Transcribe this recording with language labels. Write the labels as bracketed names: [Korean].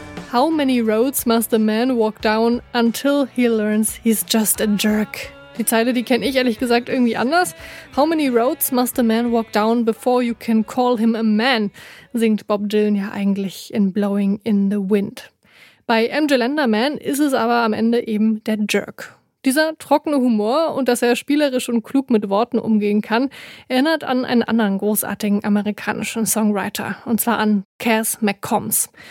[English] How many roads must a man walk down until he learns he's just a jerk? [German] Die Zeile, die kenne ich ehrlich gesagt irgendwie anders. [English] How many roads must a man walk down before you can call him a man? [German] Singt Bob Dylan ja eigentlich in Blowing in the Wind. Bei MJ Lenderman ist es aber am Ende eben der Jerk. Dieser trockene Humor und dass er spielerisch und klug mit Worten umgehen kann, erinnert an einen anderen großartigen amerikanischen Songwriter, und zwar an Cass McCombs.